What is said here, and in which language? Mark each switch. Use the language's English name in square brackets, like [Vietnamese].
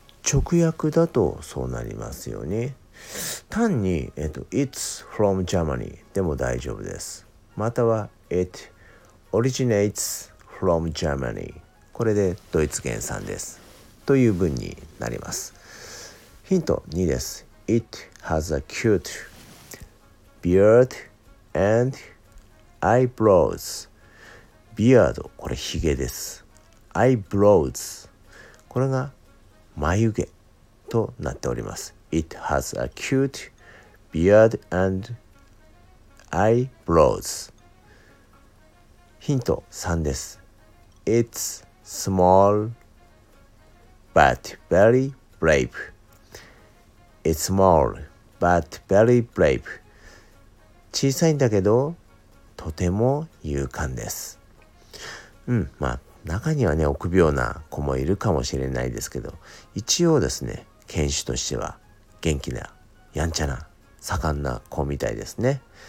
[Japanese] 直訳だとそうなりますよね。単に、 [English] It's from Germany [Japanese] でも大丈夫です。または [English] It originates from Germany、 [Japanese] これでドイツ原産ですという文になります。ヒント2です。 [English] It has a cute beard and eyebrows。 [Japanese] beard、 これヒゲです。eyebrows、 これが眉毛となっております。 [English] It has a cute beard and eyebrows。 [Japanese] ヒント3です。 [English] It's small but very brave。 It's small but very brave、 [Japanese] 小さいんだけどとても勇敢です。まあ中にはね、臆病な子もいるかもしれないですけど、一応ですね、犬種としては元気な、やんちゃな、盛んな子みたいですね。